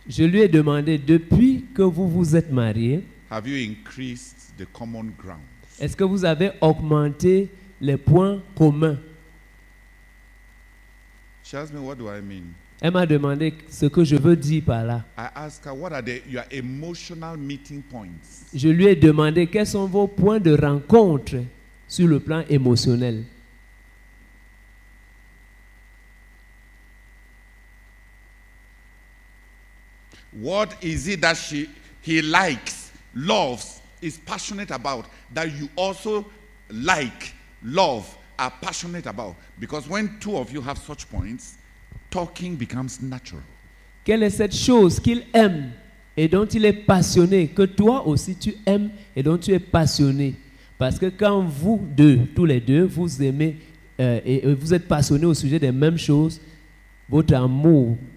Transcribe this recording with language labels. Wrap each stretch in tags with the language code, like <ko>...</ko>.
<fr>Je lui ai demandé, depuis que vous vous êtes marié,</fr> <en>have you increased the common ground?</en> <fr>Est-ce que vous avez augmenté les points communs?</fr> <en>She asked me, what do I mean?</en> <fr>Elle m'a demandé ce que je veux dire par là.</fr> <en>I asked her, what are your emotional meeting points?</en> <fr>Je lui ai demandé, quels sont vos points de rencontre sur le plan émotionnel?</fr> <en>What is it that he likes, loves, is passionate about, that you also like, love, are passionate about? Because when two of you have such points, talking becomes natural.</en> <fr>Quelle est cette chose qu'il aime et dont il est passionné, que toi aussi tu aimes et dont tu es passionné? Parce que quand vous deux, tous les deux, vous aimez et vous êtes passionné au sujet des mêmes choses, votre amour...</fr>